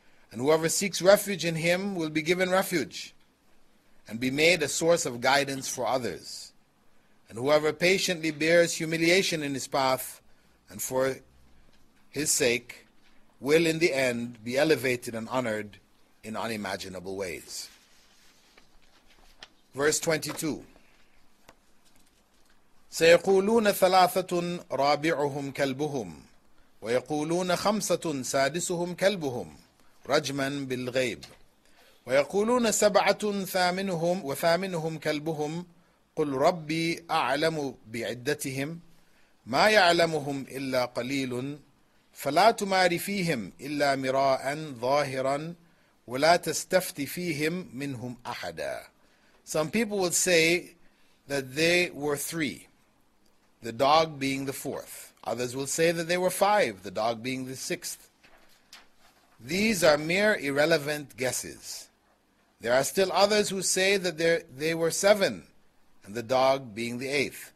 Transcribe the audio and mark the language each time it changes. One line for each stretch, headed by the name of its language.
English: And whoever seeks refuge in him will be given refuge and be made a source of guidance for others. And whoever patiently bears humiliation in his path and for his sake will in the end be elevated and honored in unimaginable ways. Verse 22.
Arabic: سيقولون ثلاثة رابعهم كلبهم ويقولون خمسة سادسهم كلبهم رجما بالغيب ويقولون سبعة ثامنهم وثامنهم كلبهم قل ربي أعلم بعدتهم ما يعلمهم إلا قليل فلا تمار فيهم إلا مراء ظاهرا ولا تستفت فيهم منهم أحدا.
English: Some people would say that they were three, the dog being the fourth. Others will say that they were five, the dog being the sixth. These are mere irrelevant guesses. There are still others who say that they were seven, and the dog being the eighth.